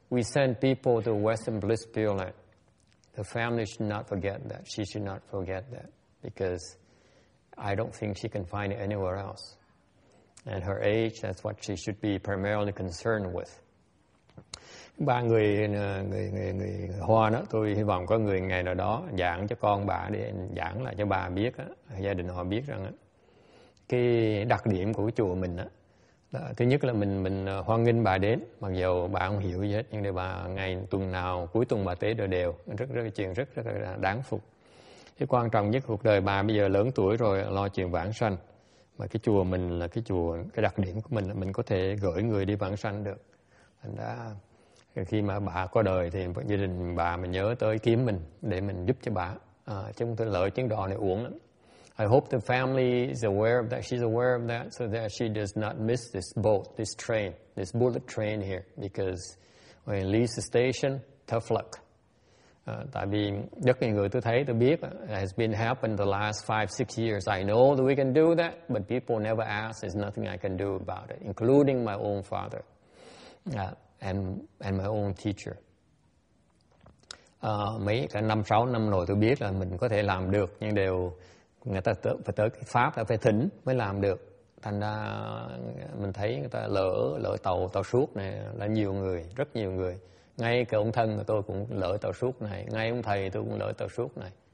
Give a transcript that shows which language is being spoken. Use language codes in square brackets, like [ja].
[en] We send people to Western Bliss Pure Land. The family should not forget that. She should not forget that, because I don't think she can find it anywhere else. And her age, that's what she should be primarily concerned with. [vi] Ba người Hoa đó, tôi hy vọng có người ngày nào đó giảng cho con bà, để giảng lại cho bà biết đó, gia đình họ biết rằng đó, cái đặc điểm của chùa mình đó, là thứ nhất là mình hoan nghênh bà đến, mặc dù bà không hiểu gì hết, nhưng để bà ngày tuần nào cuối tuần bà tế đều, rất là đáng phục. Cái quan trọng nhất cuộc đời bà bây giờ lớn tuổi rồi, lo chuyện vãng sanh. Mà cái chùa mình là cái chùa, cái đặc điểm của mình là mình có thể gửi người đi vãng sanh được. Thành ra khi mà bà qua đời thì gia đình bà mà nhớ tới kiếm mình để mình giúp cho bà. Chứ không thể lỡ chuyến đò này uổng lắm. [en] I hope the family is aware of that, she's aware of that, so that she does not miss this boat, this train, this bullet train here. Because when it leaves the station, tough luck. [vi] Tại vì rất nhiều người tôi thấy, tôi biết [en] has been happened the last 5-6 years. I know that we can do that, but people never ask. There's nothing I can do about it, including my own father and my own teacher. [vi] Mấy cả 5-6 năm rồi tôi biết là mình có thể làm được, nhưng đều người ta phải tới cái pháp là phải thỉnh mới làm được. Thành ra mình thấy người ta lỡ tàu suốt này là nhiều người, rất nhiều người. Ngay cả ông thân của tôi cũng lỡ tàu suốt này, ngay ông thầy tôi cũng lỡ tàu suốt này.